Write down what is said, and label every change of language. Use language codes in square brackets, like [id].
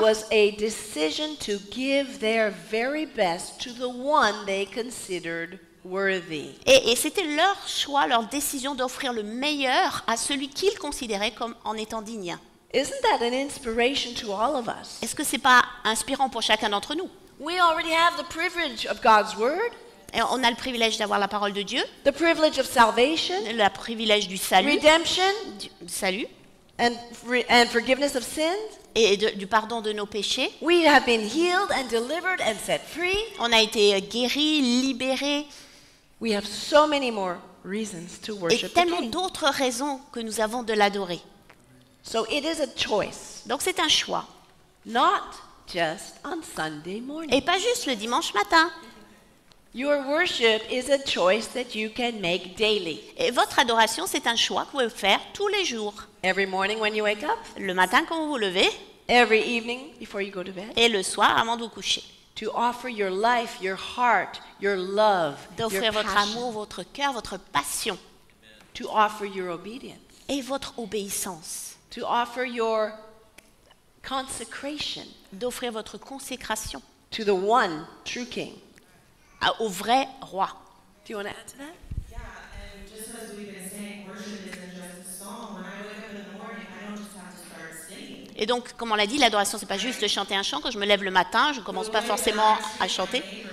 [en] It was a decision to give their very best to the one they considered worthy. [fr] Et c'était leur choix, leur décision d'offrir le meilleur à celui qu'ils considéraient comme en étant digne. [en] Isn't that an inspiration to all of us? [fr] Est-ce que c'est pas inspirant pour chacun d'entre nous? [en] We already have the privilege of God's word. [fr] Et on a le privilège d'avoir la parole de Dieu. [en] The privilege of salvation. [fr] Le privilège du salut. [en] Redemption. [fr] Du salut. [en] And forgiveness of sins. [fr] Et du pardon de nos péchés. [en] We have been healed and delivered and set free. [fr] On a été guéri, libéré. [en] We have so many more reasons to worship the King. [fr] Et tellement d'autres raisons que nous avons de l'adorer. [en] So it is a choice. [fr] Donc c'est un choix. [en] Not just on Sunday morning. [fr] Et pas juste le dimanche matin. [en] Your worship is a choice that you can make daily. [fr] Et votre adoration, c'est un choix que vous pouvez faire tous les jours. [en] Every morning when you wake up. [fr] Le matin quand vous vous levez. [en] Every evening before you go to bed. [fr] Et le soir avant de vous coucher. [en] To offer your life, your heart, your love, [fr] d'offrir votre [en] passion. [fr] Amour, votre cœur, votre passion. [en] Amen. To offer your obedience. [fr] Et votre obéissance. [en] To offer your consecration. [fr] D'offrir votre consécration. [en] To the one true king. [fr] Au vrai roi. [en] Do you want to add to that? Yeah, and just as we've been saying, worship isn't just a song. When I wake up in the morning, I don't just have to start singing. [fr] Et donc, comme on l'a dit, l'adoration, ce n'est pas juste de chanter un chant. Quand je me lève le matin, je ne commence pas forcément à chanter.